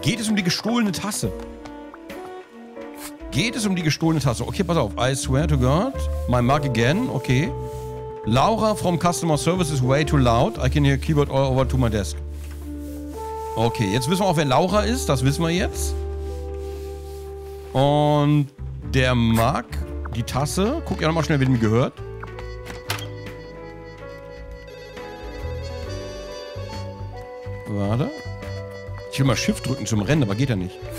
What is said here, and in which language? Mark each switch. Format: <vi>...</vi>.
<de>Geht es um die gestohlene Tasse? Geht es um die gestohlene Tasse?</de> <en>Okay,</en> <de>pass auf.</de> <en>I swear to God. My mug again. Okay. Laura from Customer Service is way too loud. I can hear keyboard all over to my desk.</en> <de>Okay, jetzt wissen wir auch, wer Laura ist. Das wissen wir jetzt. Und der Mug, die Tasse. Guck ja nochmal schnell, wer mir gehört. Warte. Ich will mal Shift drücken zum Rennen, aber geht ja nicht.</de>